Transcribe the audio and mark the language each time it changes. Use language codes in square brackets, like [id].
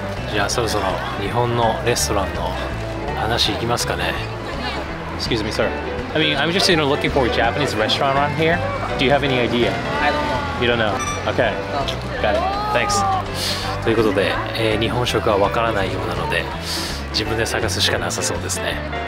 [ja] じゃあそろそろ日本のレストランの話いきますかね。 [en] Excuse me, sir. I mean, I'm just, you know, looking for a Japanese restaurant around here. Do you have any idea? I don't know. You don't know? Okay. Got it. Thanks. [ja] ということで、日本食はわからないようなので、自分で探すしかなさそうですね。